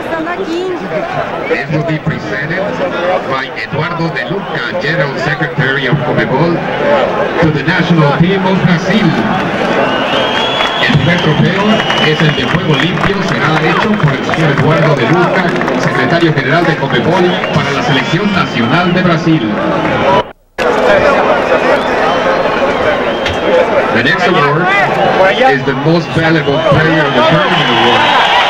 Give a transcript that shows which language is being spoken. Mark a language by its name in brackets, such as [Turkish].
[English] This will be presented by Eduardo De Luca, General Secretary of Comebol, to the national team of Brazil. [Spanish] El primer trofeo es el de Juego Limpio, será hecho por el señor Eduardo De Luca, Secretario General de Comebol, para la Selección Nacional de Brasil. [English] The next award is the most valuable player in the tournament award.